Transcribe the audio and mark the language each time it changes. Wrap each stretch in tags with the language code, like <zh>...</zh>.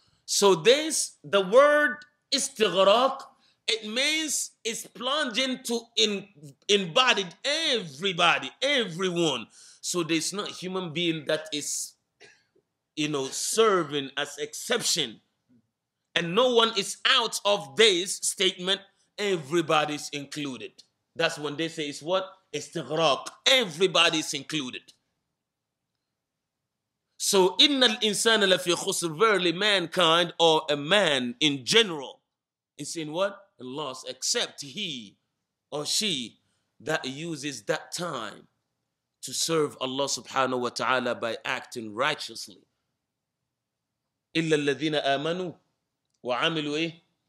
<en>So this, the word istighraq, it means it's plunging to embodied everybody, everyone. So there's not human being that is, you know, serving as exception. And no one is out of this statement. Everybody's included. That's when they say it's what? Istighraq. Everybody's included.</en> <ar>So, إِنَّ الْإِنسَانَ لَفِي خُسْرٍ.</ar> <en>Verily, mankind or a man in general is in what? In loss, except he or she that uses that time to serve Allah subhanahu wa ta'ala by acting righteously.</en> <ar>إِلَّا الَّذِينَ آمَنُوا وَعَمِلُوا إِهِ</ar>